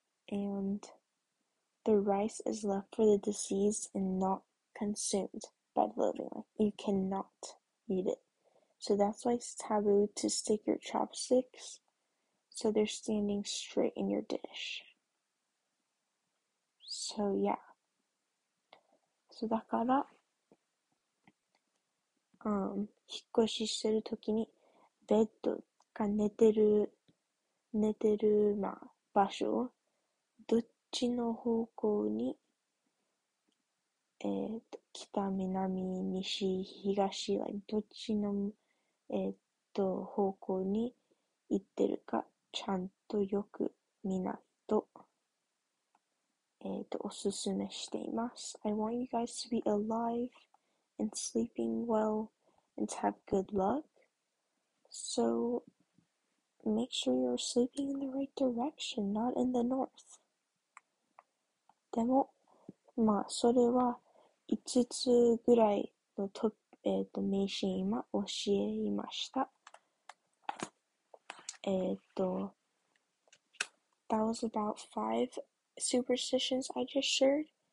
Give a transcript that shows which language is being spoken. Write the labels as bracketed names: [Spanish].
[English] And the rice is left for the deceased and not consumed by the living. Like, you cannot eat it. So that's why it's taboo to stick your chopsticks so they're standing straight in your dish. So yeah. [Japanese] So だから引っ越ししてるときにベッドが寝てる場所をどっちの方向に北南西東like どっちの方向に行ってるかちゃんとよく見ないとおすすめしています。 [English] I want you guys to be alive and sleeping well and to have good luck. So make sure you're sleeping in the right direction, not in the north. [Japanese] でも、まあ、それは5つぐらいのと、迷信今教えました。 [English] That was about 5 superstitions I just shared.